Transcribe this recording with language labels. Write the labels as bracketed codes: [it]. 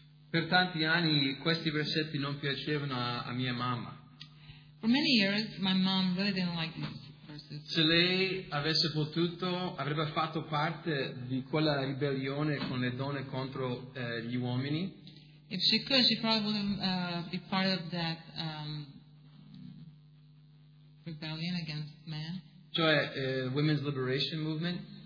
[it] Per tanti anni questi versetti non piacevano a mia mamma. [en] For many years, my mom really didn't like this. [it] Se lei avesse potuto, avrebbe fatto parte di quella ribellione con le donne contro gli uomini. [en] If she could, she probably wouldn't be part of that rebellion against men. [it] Cioè, Women's Liberation Movement.